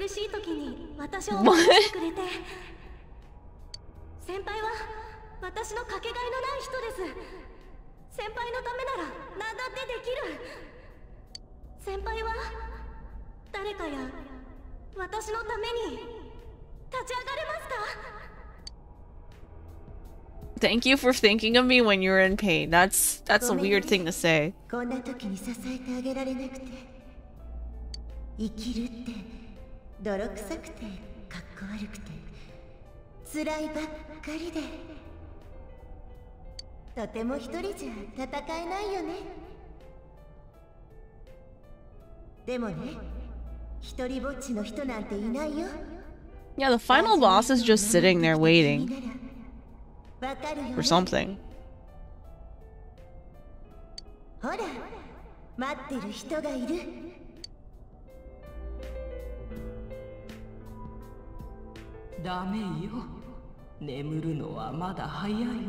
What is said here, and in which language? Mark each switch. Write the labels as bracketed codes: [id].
[ja] 苦しい時に私を思い出してくれて。先輩は私のかけがえのない人です。先輩のためなら何だってできる。先輩は誰かや私のために立ち上がれますか？ [en] Thank you for thinking of me when you're in pain. That's a weird thing to say. [ja] こんな時に支えてあげられなくて。生きるって泥臭くてかっこ悪くて辛いばっかりで、とても一人じゃ戦えないよね。でもね、一人ぼっちの人なんていないよ。 [en] Yeah, the final boss is just sitting there waiting for something. [ja] ほら、待ってる人がいる。ダメよ。眠るのはまだ早いわ。